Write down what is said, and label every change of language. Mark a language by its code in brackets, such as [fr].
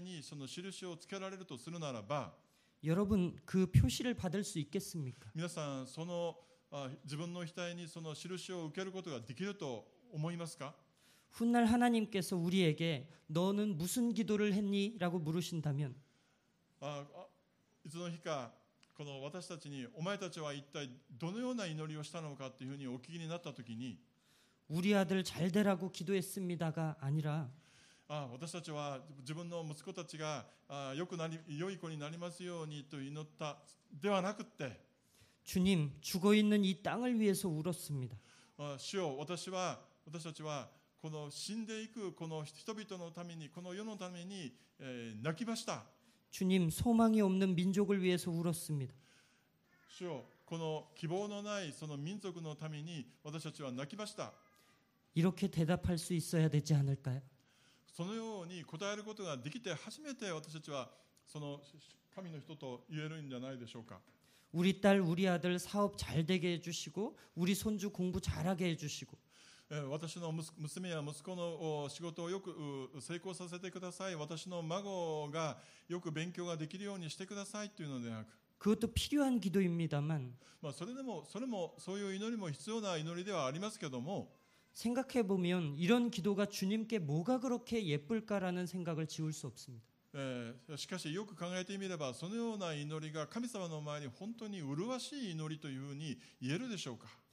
[ja] もしこの今この日本の時代にそしてこの悪を見て、そして泣いてる人たちのその額にその印をつけられるとするならば [ko] 여러분 그 표시를 받을 수 있겠습니까? [ja] 皆さんその自分の額にその印を受けることができると思いますか? [ko] 훗날 하나님께서 우리에게 너는 무슨 기도를 했니라고 물으신다면 [ja] いつの日かこの私たちにお前たちは一体どのような祈りをしたのかというふうにお聞きになった時に [ko] 우리 아들 잘 되라고 기도했습니다가 아니라 [ja] あ、私たちは自分の息子たちが良い子になりますようにと祈ったではなくて、 [ko] 주님죽어있는이땅을위해서울었습니다。 [ja] 主よ、私たちはこの死んでいくこの人々のために、この世のために泣きました。 [ko] 주님소망이없는민족을위해서울었습니다。 [ja] 主よ、この希望のないその民族のために私たちは泣きました。 [ko] 이렇게대답할수있어야되지않을까요。 [ja] そのように答えることができて初めて私たちはその神の人と言えるんじゃないでしょうか。 [ko] 우리딸우리아들사업잘되게해주시고우리손주공부잘하게해주시고。 [ja] 私の娘や息子の仕事をよく成功させてください、私の孫がよく勉強ができるようにしてくださいというのではなく、 [ko] 그것도필요한기도입니다만、 [ja] それもそういう祈りも必要な祈りではありますけども、 [ko] 생각해보면이런기도가주님께뭐가그렇게예쁠까라는생각을지울수없습니다。 [ja] しかしよく考えてみれば、そのような祈りが神様の前に本当に麗しい祈りというふうに言えるでしょうか。